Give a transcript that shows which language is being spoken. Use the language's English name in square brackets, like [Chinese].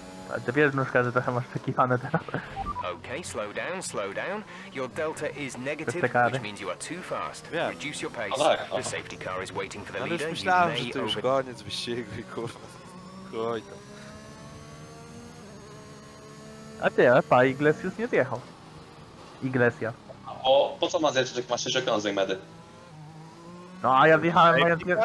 [Polish] Ale ty wiesz, nóżka, że trochę masz przekichane teraz. [English] Okay, slow down. Your delta is negative, which means you are too fast. Yeah. Reduce your pace. Oh, the safety car is waiting for the leader. [Polish] Ale już myślałem, że to już koniec wyścigu, kurwa. Oj, a ty, pa, Iglesias nie zjechał. Iglesia. O, po co ma zjechać, jak masz jeszcze okrążeń, medy? No, a ja zjechałem mając...